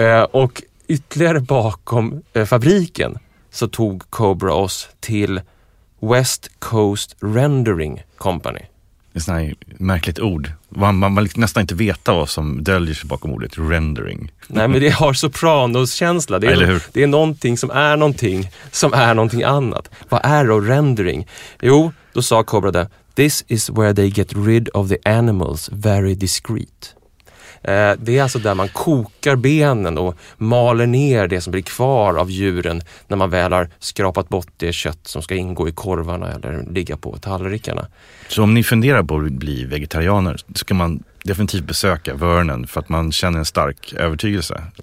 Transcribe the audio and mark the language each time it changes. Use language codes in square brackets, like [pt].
[sv] Och ytterligare bakom fabriken så tog Cobra oss till West Coast Rendering Company. Det är sådana här märkligt ord. Man vill nästan inte veta vad som döljer sig bakom ordet rendering. Nej, men det har sopranoskänsla. Det är någonting som är någonting som är någonting annat. Vad är då rendering? Jo, då sa Cobra det. [en] This is where they get rid of the animals very discreet. [sv] Det är alltså där man kokar benen och maler ner det som blir kvar av djuren när man väl har skrapat bort det kött som ska ingå i korvarna eller ligga på tallrikarna. Så om ni funderar på att bli vegetarianer så ska man definitivt besöka Vernon för att man känner en stark övertygelse.